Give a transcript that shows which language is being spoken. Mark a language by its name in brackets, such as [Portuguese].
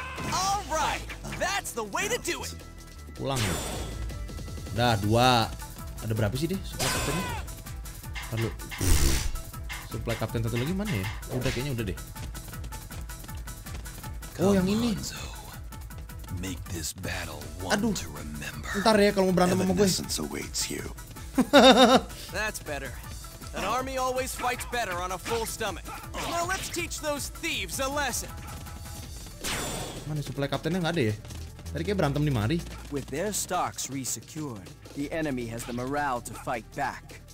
[English] All right, that's the way to do it. [Indonesian] Pulang. Dah, dua. Ada berapa sih deh supply kaptennya? Lalu supply kapten satu lagi mana ya? Udah kayaknya udah deh. Oh, yang ini. [English] Make this battle one to remember. [Indonesian] Ntar ya kalau mau berantem sama gue. [English] That's better. An army always fights better on a full stomach. Now let's teach those thieves a lesson. [Indonesian] Mana supply kaptennya nggak ada ya? Tadi kayak berantem di mari. [English] With their stocks resecured, the enemy has the morale to fight back.